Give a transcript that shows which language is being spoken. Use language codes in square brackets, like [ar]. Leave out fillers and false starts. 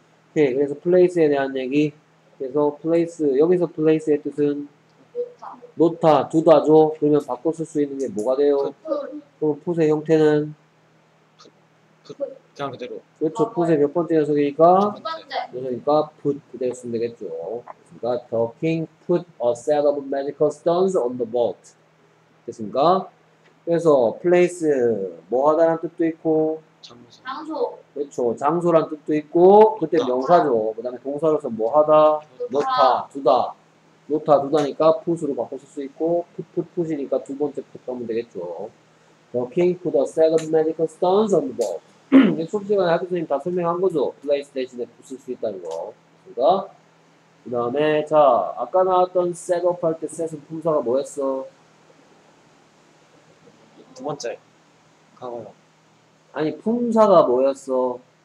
[ko] Okay. 그래서 place에 대한 얘기. 그래서 place 여기서 place의 뜻은 놓다 두다죠. 그러면 바꿔 쓸 수 있는 게 뭐가 돼요? [en] Put. [ko] 그럼 put의 형태는 put. 그냥 그대로. 그렇죠. put의 몇 번째 녀석이니까 두 번째. 녀석이니까 put 그대로 쓰면 되겠죠. [en] The king put a set of magical stones on the boat. [ko] 됐습니까? 그래서 place 뭐하다라는 뜻도 있고 장소. 장소. 그렇죠. 장소란 뜻도 있고 그때 놓다. 명사죠. 그다음에 동사로서 뭐하다 놓다 두다 놓다 두다니까 put으로 바꿔 쓸 수 있고 put이니까 두 번째 put 하면 되겠죠. [en] The king put a set of magical stones on the boat. [ko] 수업 시간에 학교 선생님 다 설명한 거죠. place 대신에 put 쓸 수 있다는 거. 그러니까 그 다음에 자 아까 나왔던 set up 할 때 set은 품사가 뭐였어? 두 번째 가거요. 아니 품사가 뭐였어?